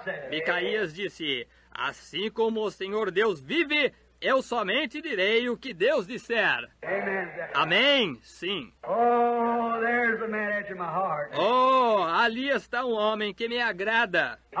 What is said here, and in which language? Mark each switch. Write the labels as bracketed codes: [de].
[pt] Micaías disse, assim como o Senhor Deus vive, eu somente direi o que Deus disser. [en] Amen. [pt] Amém, sim. [en] Oh, there's a man after my heart. [pt] Oh, ali está um homem que me agrada.